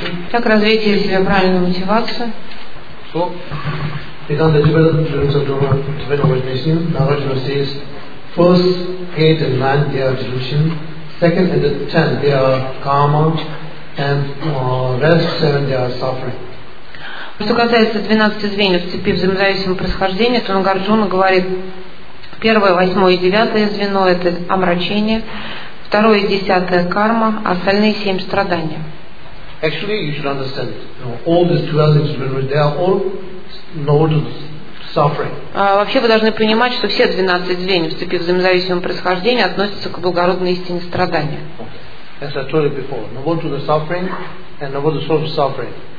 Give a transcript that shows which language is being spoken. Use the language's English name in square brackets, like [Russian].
[Russian] Как развить в себе правильную мотивацию? [English] So, first, 8 and 9, they are delusion. Second and 10, they are karma. And rest 7, they are suffering. [Russian] Что касается 12 звеньев цепи взаимозависимого происхождения, то Нагарджуна говорит, первое, восьмое и девятое звено – это омрачение, второе и десятое – карма, а остальные семь – страдания. [English] Actually, you should understand, all these 12 звеньев, they are all nodes. [Russian] Вообще вы должны понимать, что все 12 звеньев цепи взаимозависимого происхождения относятся к благородной истине страдания. [English] As I told you before, number two the suffering and number the source of suffering.